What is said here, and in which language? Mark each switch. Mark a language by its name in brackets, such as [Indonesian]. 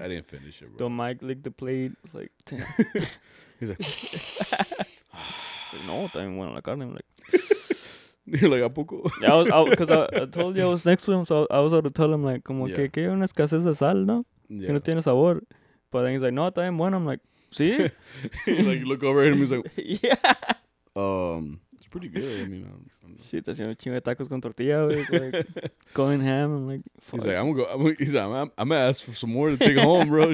[English] "I didn't finish it, bro." The Mike licked the plate. I was like, damn. He's like. No, I went on the carne. I'm like, you're like, [Spanish] ¿a poco? [English] Yeah, I told you I was next to him, so I was about to tell him, like, [Spanish] como que hay una escasez de sal, ¿no? Que no tiene sabor. [English] But then he's like, [Spanish] no, también bueno. [English] I'm like, [Spanish] ¿sí? [English] Like, you look over at him, he's like, yeah. It's pretty good. I mean, [Spanish] shit, está haciendo chingo de tacos con tortilla, like, [English] going ham. [Spanish] I'm like, [English] fuck. He's like, I'm gonna ask for some more to take home, bro.